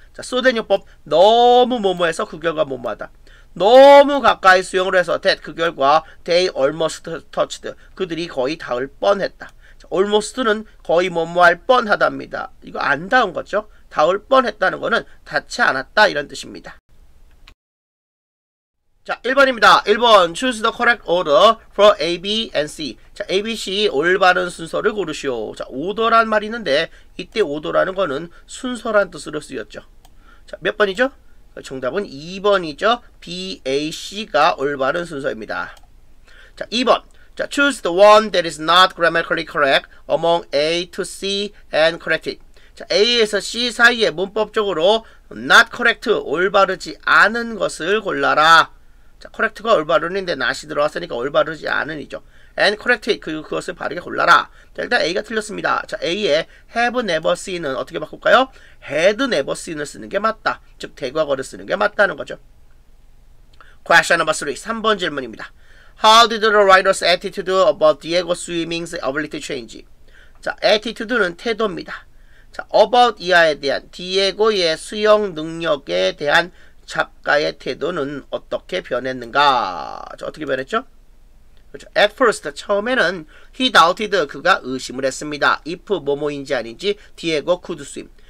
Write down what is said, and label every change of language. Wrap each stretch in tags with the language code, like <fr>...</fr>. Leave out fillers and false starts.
<ko>자, so that 요법 너무 뭐뭐해서 그 결과 뭐뭐하다. 너무 가까이 수영을 해서 that 그 결과</ko> <en>they almost touched.</en> <ko>그들이 거의 닿을 뻔했다. 자, almost는 거의 뭐뭐할 뻔하답니다. 이거 안 닿은 거죠? 닿을 뻔했다는 거는 닿지 않았다 이런 뜻입니다. 자, 1번입니다.</ko> <en>1번, choose the correct order for A, B, and C.</en> <ko>자, A, B, C, 올바른 순서를 고르시오. 자, order란 말이 있는데 이때 order라는 거는 순서란 뜻으로 쓰였죠. 자, 몇 번이죠? 정답은 2번이죠. B, A, C가 올바른 순서입니다. 자, 2번.</ko> <en>자, choose the one that is not grammatically correct among A to C and correct it.</en> <ko>자, A에서 C 사이에 문법적으로 not correct, 올바르지 않은 것을 골라라. 자, correct가 올바른인데 not이 들어왔으니까 올바르지 않은 이죠.</ko> <en>And correct it,</en> <ko>그것을 바르게 골라라. 자, 일단 A가 틀렸습니다. 자, A에 have never seen은 어떻게 바꿀까요? had never seen을 쓰는 게 맞다. 즉, 대과거를 쓰는 게 맞다는 거죠.</ko> <en>Question number 3,</en> <ko>3번 질문입니다.</ko> <en>How did the writer's attitude about Diego Swimming's ability change?</en> <ko>자, attitude는 태도입니다. 자, about 이하에 대한, 디에고의 수영 능력에 대한 작가의 태도는 어떻게 변했는가? 자, 어떻게 변했죠? 그렇죠. At first, 처음에는</ko> <en>he doubted,</en> <ko>그가 의심을 했습니다. If 뭐뭐인지 아닌지,</ko> <en>Diego could swim.</en>